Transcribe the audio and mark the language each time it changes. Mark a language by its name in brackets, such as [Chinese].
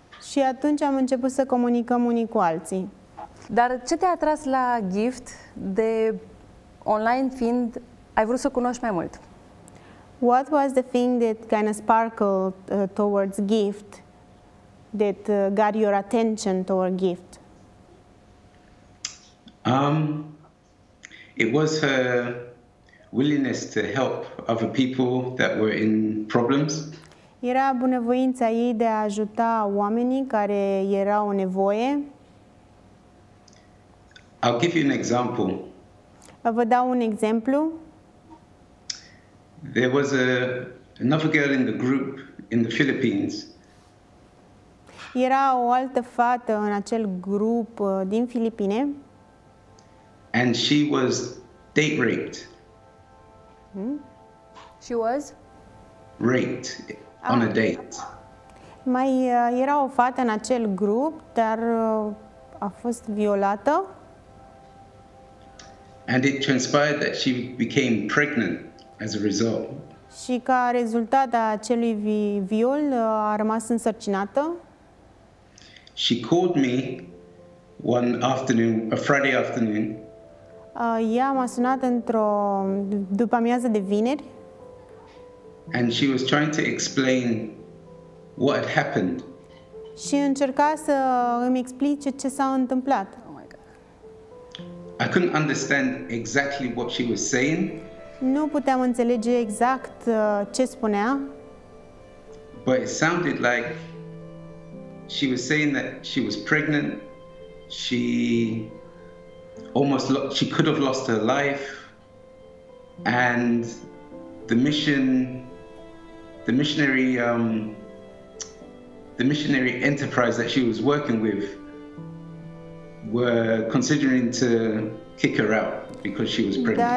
[Romanian] Și atunci am început să comunicăm unii cu alții. Dar ce te-a atras la Gift, de online fiind, ai vrut să cunoști mai mult? [English] What was the thing that kind of sparkled towards Gift, that got your attention toward Gift? It was her willingness to help other people that were in problems. [Romanian] Era bunăvoința ei de a ajuta oamenii care erau în nevoie. [English] I'll give you an example. [Romanian] Vă dau un exemplu. [English] There was another girl in the group in the Philippines. [Romanian] Era o altă fată în acel grup din Filipine. [English] And she was date raped. She was raped on a date. [Romanian] Mai era o fată în acel grup, dar a fost violată. [English] And it transpired that she became pregnant as a result. [Romanian] Și ca rezultat a acelui viol a rămas însărcinată. [English] She called me one afternoon, a Friday afternoon. [Romanian] Ea m-a sunat într-o după-amiază de vineri. [English] And she was trying to explain what had happened. [Romanian] Și încerca să îmi explice ce s-a întâmplat. [English] I couldn't understand exactly what she was saying. [Romanian] Nu puteam înțelege exact ce spunea. [English] But it sounded like she was saying that she was pregnant. She almost she could have lost her life. And the missionary enterprise that she was working with were considering to kick her out because she was pregnant.